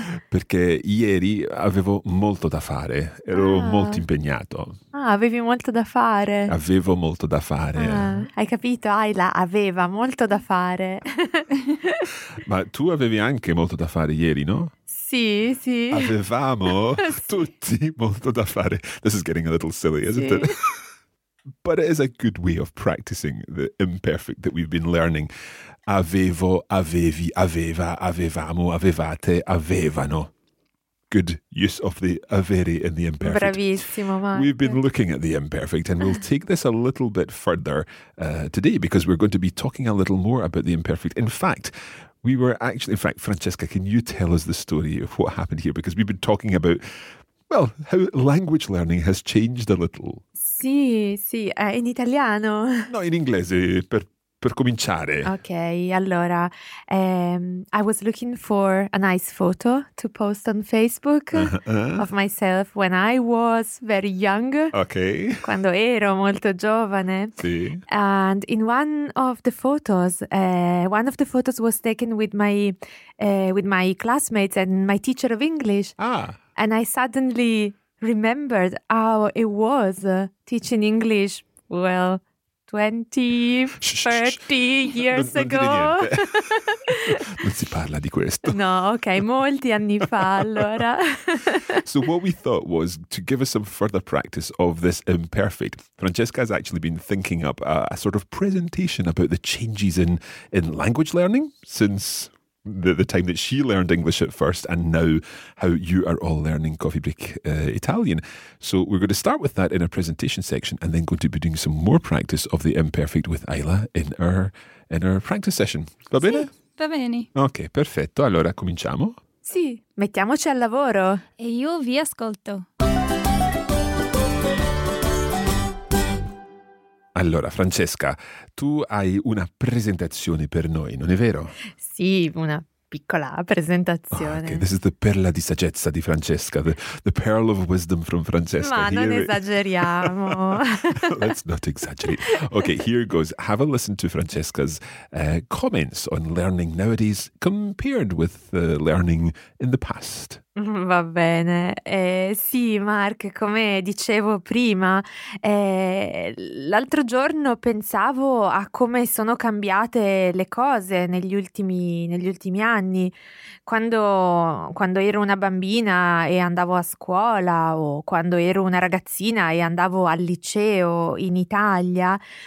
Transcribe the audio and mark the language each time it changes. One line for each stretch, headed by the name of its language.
Italian: Perché ieri avevo molto da fare, ero molto impegnato. Ah, avevi molto da fare. Avevo molto da fare. Ah, hai capito, Ayla, aveva molto da fare. Ma tu avevi anche molto da fare ieri, no? Sì, sì. Avevamo tutti molto da fare.
English: This is getting a little silly, isn't it? But it is a good way of practicing the imperfect that we've been learning.
Italian: Avevo, avevi, aveva, avevamo, avevate, avevano.
English: Good use of the avere in the imperfect.
Italian: Bravissimo, Mark.
English: We've been looking at the imperfect and we'll take this a little bit further today because we're going to be talking a little more about the imperfect. In fact, Francesca, can you tell us the story of what happened here? Because we've been talking about, well, how language learning has changed a little.
Italian: Sì, sì, in italiano. No, in inglese, per cominciare. Ok, allora,
English: I was looking for a nice photo to post on Facebook of myself when I was very young. Ok.
Italian: Quando ero molto giovane. Sì.
English: And in one of the photos was taken with my classmates and my teacher of English. Ah. And I suddenly remembered how it was teaching English, well, 20, 30 years ago.
Italian: Non si parla di questo. No, okay, molti anni fa allora.
English: So what we thought was to give us some further practice of this imperfect. Francesca has actually been thinking up a sort of presentation about the changes in language learning since the time that she learned English at first and now how you are all learning Coffee Break Italian. So we're going to start with that in our presentation section and then going to be doing some more practice of the imperfect with Ayla in our practice session.
Italian: Va bene? Sì, va bene. Ok, perfetto. Allora, cominciamo? Sì, mettiamoci al lavoro. E io vi ascolto. Allora, Francesca, tu hai una presentazione per noi, non è vero? Sì, una piccola presentazione.
English: Oh, okay. This is the
Italian: perla di saggezza di Francesca,
English: the pearl of wisdom from Francesca.
Italian: Ma non esageriamo.
English: Let's not exaggerate. Okay, here goes. Have a listen to Francesca's comments on learning nowadays compared with learning in the past.
Italian: Va bene. Sì, Mark, come dicevo prima, l'altro giorno pensavo a come sono cambiate le cose negli ultimi anni, quando ero una bambina e andavo a scuola, o quando ero una ragazzina e andavo al liceo in Italia.